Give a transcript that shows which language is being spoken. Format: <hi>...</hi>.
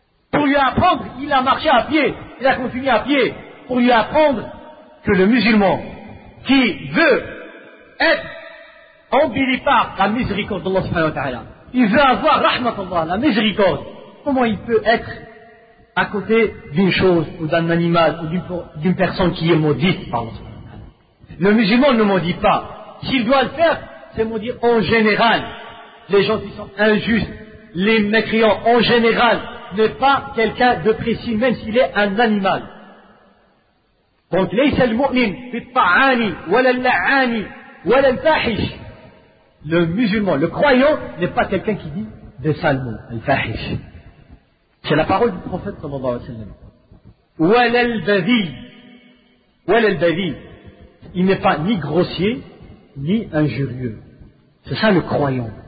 <fr>Pour lui apprendre, il a marché à pied, il a continué à pied, pour lui apprendre que le musulman qui veut être embelli par la miséricorde d'Allah, il veut avoir rahmatullah, la miséricorde, comment il peut être à côté d'une chose ou d'un animal ou d'une personne qui est maudite par Allah. Le musulman ne maudit pas. S'il doit le faire, c'est maudit en général. Les gens qui sont injustes, les mécréants, en général, n'est pas quelqu'un de précis, même s'il est un animal. Donc,</fr> <ar>ليس المؤمن بالطعان ولا اللعان ولا الفاحش.</ar> <fr>Le musulman, le croyant, n'est pas quelqu'un qui dit des sales mots, الفاحش. C'est la parole du prophète</fr> <ar>صلى الله عليه وسلم. ولا البذي. ولا البذي.</ar> <fr>Il n'est pas ni grossier, ni injurieux. C'est ça le croyant.</fr>